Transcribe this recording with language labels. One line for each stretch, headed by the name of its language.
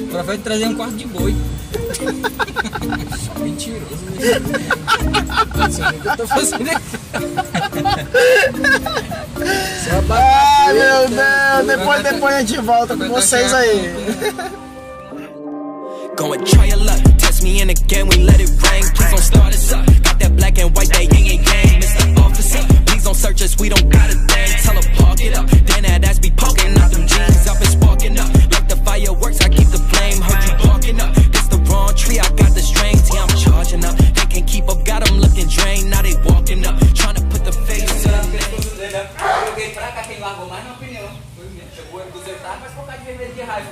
Portuguese: O profeta trazia um quarto de boi. Mentiroso. O que eu tô fazendo aqui? Ah, meu Deus. Depois a gente volta com vocês aí.
English: Going to try your luck. Test me in again, we let it rain. Keep on start us up. Got that black and white, they ain't a game. Mr. Officer, please don't search us, we don't got a thing. Tell her park it up, then that ass be poking out them jeans. I've been sparking up, like the fireworks, I keep the flame. Heard you barking up, this the wrong tree, I got the strength. Yeah, I'm charging up, they can't keep up, got them looking drained. Now they walking up, trying to put the face in the name.
Portuguese: Joguei pra cá, quem largou mais na opinião. Chegou em 200, tá? Mas colocar de vermelho de raiva.